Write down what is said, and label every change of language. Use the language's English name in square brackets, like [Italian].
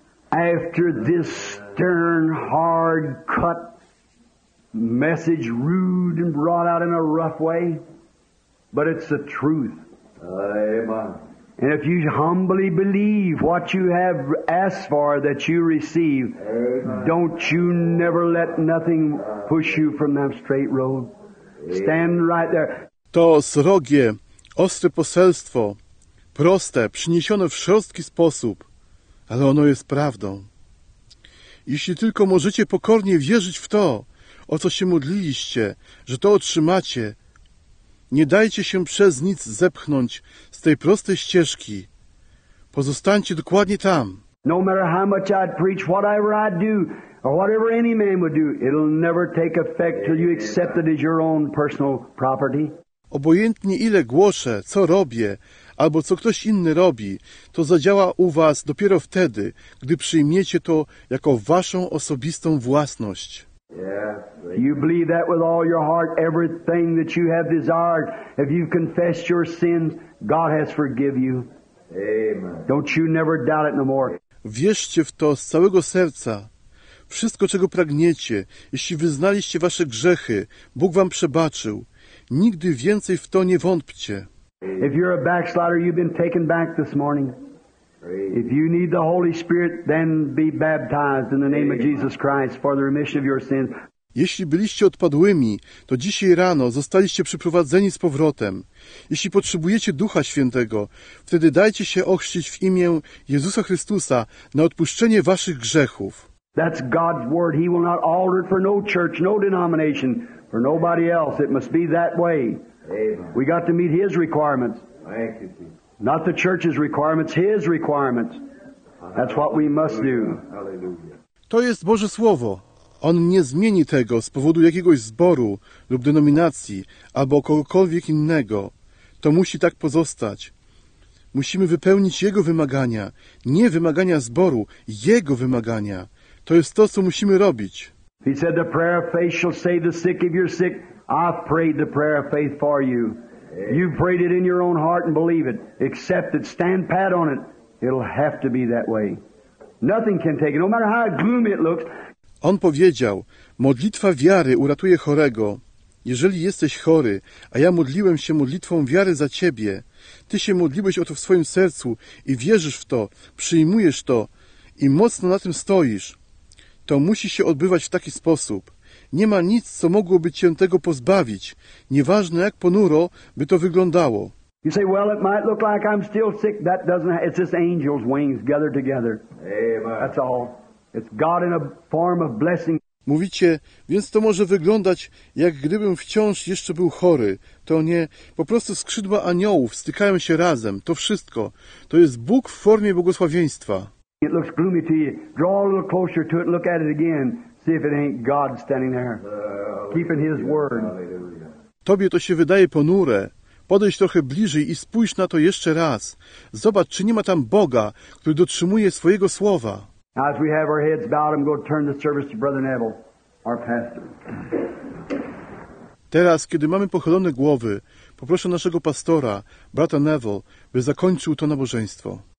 [English] After this stern, hard cut message, rude and brought out in a rough way, but it's the truth. Amen. And if you humbly believe what you have asked for that you receive, don't you never let nothing push you from that straight road. Stand right there. [Polish] To srogie, ostre poselstwo, proste, przyniesione w szorstki sposób, ale ono jest prawdą. Jeśli tylko możecie pokornie wierzyć w to, o co się modliliście, że to otrzymacie, nie dajcie się przez nic zepchnąć z tej prostej ścieżki. Pozostańcie dokładnie tam. [English] No matter how much I'd preach, whatever I'd do, or whatever any man would do, it'll never take effect till you accept it as your own personal property. [Polish] Obojętnie ile głoszę, co robię, albo co ktoś inny robi, to zadziała u was dopiero wtedy, gdy przyjmiecie to jako waszą osobistą własność. [English] You believe that with all your heart, everything that you have desired, if you've confessed your sins, God has forgiven you. Amen. Don't you never doubt it no more. [Polish] Wierzcie w to z całego serca. Wszystko, czego pragniecie, jeśli wyznaliście wasze grzechy, Bóg wam przebaczył. Nigdy więcej w to nie wątpcie. [English] If you're a backslider, you've been taken back this morning. If you need the Holy Spirit, then be baptized in the name of Jesus Christ for the remission of your sins. [Polish] Jeśli byliście odpadłymi, to dzisiaj rano zostaliście przyprowadzeni z powrotem. Jeśli potrzebujecie Ducha Świętego, wtedy dajcie się ochrzcić w imię Jezusa Chrystusa na odpuszczenie waszych grzechów. [English] That's God's word. He will not alter it for no church, no denomination, for nobody else. It must be that way. Amen. We got to meet His requirements. Thank you. Not the church's requirements, His requirements. That's what we must do. [Polish] To jest Boże Słowo. On nie zmieni tego z powodu jakiegoś zboru lub denominacji albo kogokolwiek innego. To musi tak pozostać. Musimy wypełnić Jego wymagania, nie wymagania zboru, Jego wymagania. To jest to, co musimy robić. [English] He said the prayer of faith shall save the sick if you're sick. I've prayed the prayer of faith for you. You prayed it in your own heart and believe it. Accept it. Stand pat on it. It'll have to be that way. Nothing can take it, no matter how gloomy it looks. [Polish] On powiedział, modlitwa wiary uratuje chorego. Jeżeli jesteś chory, a ja modliłem się modlitwą wiary za ciebie, ty się modliłeś o to w swoim sercu i wierzysz w to, przyjmujesz to i mocno na tym stoisz, to musi się odbywać w taki sposób. Nie ma nic, co mogłoby cię tego pozbawić, nieważne jak ponuro by to wyglądało. [English] You say, well, it might look like I'm still sick. That doesn't happen. It's just angels' wings gathered together. Amen. That's all. It's God in a form of blessing. [Polish] Mówicie, więc to może wyglądać, jak gdybym wciąż jeszcze był chory. To nie, po prostu skrzydła aniołów stykają się razem. To wszystko. To jest Bóg w formie błogosławieństwa. [English] It looks gloomy to you. Draw a little closer to it, look at it again. See if it ain't God standing there, keeping His word. [Polish] Tobie to się wydaje ponure. Podejdź trochę bliżej i spójrz na to jeszcze raz. Zobacz, czy nie ma tam Boga, który dotrzymuje swojego słowa. [English] As we have our heads bowed, I'm going to turn the service to Brother Neville, our pastor. [Polish] Teraz, kiedy mamy pochylone głowy, poproszę naszego pastora, brata Neville, by zakończył to nabożeństwo.